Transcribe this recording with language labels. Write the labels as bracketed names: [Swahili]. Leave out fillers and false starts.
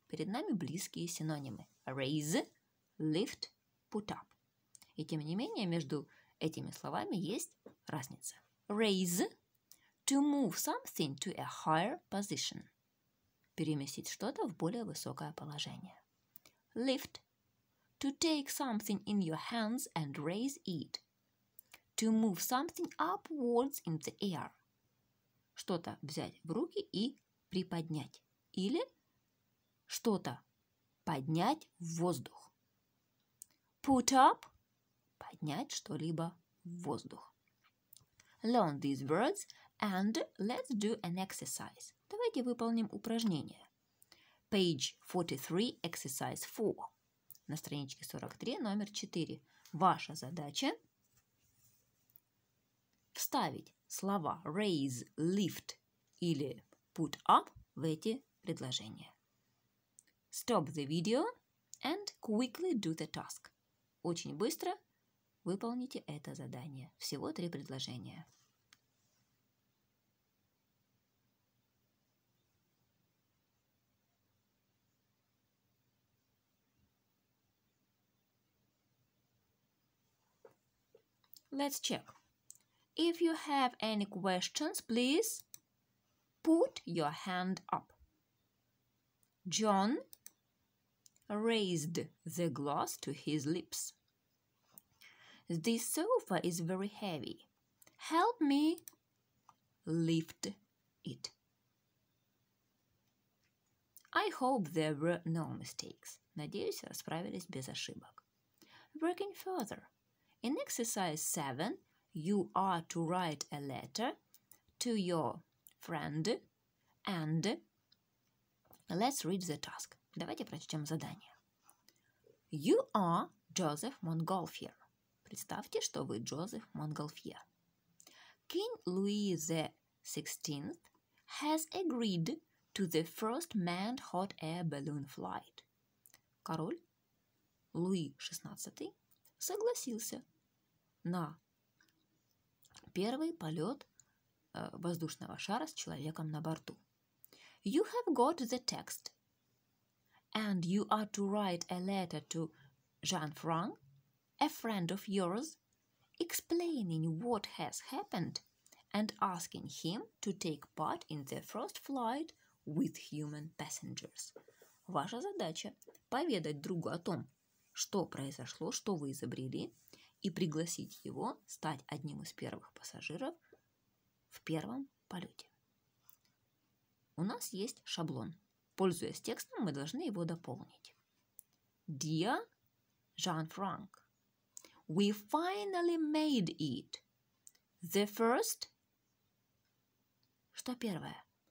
[Russian] Перед нами близкие синонимы. [English] Raise, lift, put up. [Russian] И тем не менее, между этими словами есть разница. [English] Raise – to move something to a higher position. [Russian] Переместить что-то в более высокое положение. [English] Lift – to take something in your hands and raise it. To move something upwards in the air. [Russian] Что-то взять в руки и приподнять. Или что-то поднять в воздух. Put up – поднять что-либо в воздух. [English] Learn these words and let's do an exercise. [Russian] Давайте выполним упражнение. [English] Page 43, exercise 4. [Russian] На страничке 43, номер 4. Ваша задача вставить слова raise, lift или put up в эти предложения. [English] Stop the video and quickly do the task. [Russian] Очень быстро выполните это задание. Всего 3 предложения. [English] Let's check. If you have any questions, please put your hand up. John raised the glass to his lips. This sofa is very heavy. Help me lift it. I hope there were no mistakes. [Russian] Надеюсь, справились без ошибок. [English] Working further. In exercise 7, you are to write a letter to your friend and let's read the task. [Russian] Давайте прочтем задание. [English] You are Joseph Montgolfier. [Russian] Представьте, что вы Джозеф Монгольфье. [English] King Louis XVI has agreed to the first manned hot air balloon flight. [Russian] Король Луи XVI согласился на первый полет воздушного шара с человеком на борту. [English] You have got the text. And you are to write a letter to Jean-Franc, a friend of yours, explaining what has happened and asking him to take part in the first flight with human passengers. [Russian] Ваша задача – поведать другу о том, что произошло, что вы изобрели, и пригласить его стать одним из первых пассажиров в первом полете. У нас есть шаблон. Пользуясь текстом, мы должны его дополнить. [English] Dear Jean-Franc, we finally made it. The first... [Russian] Что первое?